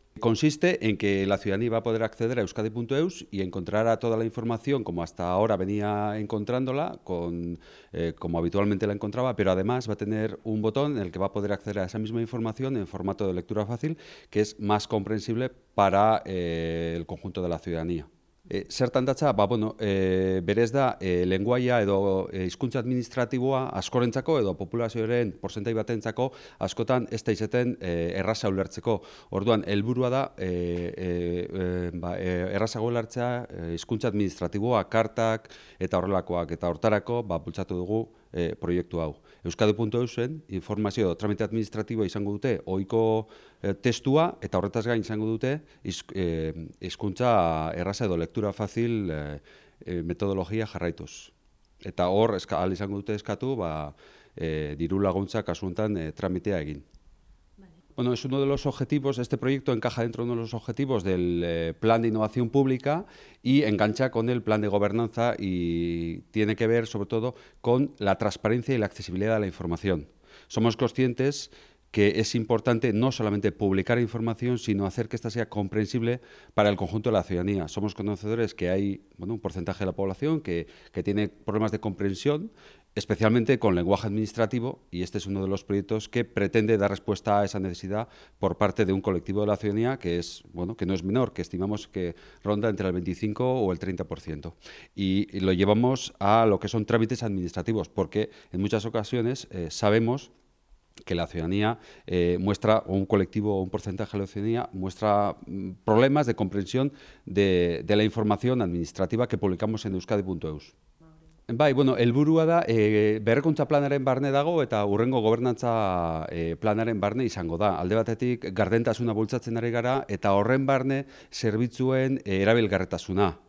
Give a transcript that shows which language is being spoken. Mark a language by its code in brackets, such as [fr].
[es] Consiste en que la ciudadanía va a poder acceder a euskadi.eu y encontrará toda la información como hasta ahora venía encontrándola, como habitualmente la encontraba, pero además va a tener un botón en el que va a poder acceder a esa misma información en formato de lectura fácil, que es más comprensible para el conjunto de la ciudadanía. [eu] Zertandatza, berez da, lenguaia edo hizkuntza administratiboa askorentzako edo populazioaren porcentai batentzako askotan ez da izaten erraza ulertzeko. Orduan, helburua da errazago ulertzea hizkuntza administratiboa, kartak eta horrelakoak, eta hortarako bultzatu dugu proiektu hau. Euskadi.eusen informazio tramite administratiboa izango dute ohiko testua, eta horretaz gain izango dute hizkuntza erraza edo lektura fazil metodologia jarraituz. Eta hor ahal izango dute eskatu diru laguntza kasu honetan tramitea egin. [es] Bueno, es uno de los objetivos, este proyecto encaja dentro de uno de los objetivos del plan de innovación pública y engancha con el plan de gobernanza y tiene que ver sobre todo con la transparencia y la accesibilidad a la información. Somos conscientes que es importante no solamente publicar información, sino hacer que esta sea comprensible para el conjunto de la ciudadanía. Somos conocedores que hay un porcentaje de la población que tiene problemas de comprensión, especialmente con lenguaje administrativo, y este es uno de los proyectos que pretende dar respuesta a esa necesidad por parte de un colectivo de la ciudadanía que es, que no es menor, que estimamos que ronda entre el 25 o el 30%. Y lo llevamos a lo que son trámites administrativos, porque en muchas ocasiones sabemos que la ciudadanía muestra, o un colectivo o un porcentaje de la ciudadanía, muestra problemas de comprensión de la información administrativa que publicamos en euskadi.eu. [eu] Bai, helburua da, berrikuntza planaren barne dago eta urrengo gobernantza planaren barne izango da. Alde batetik, gardentasuna bultzatzen ari gara eta horren barne zerbitzuen erabilgarretasuna.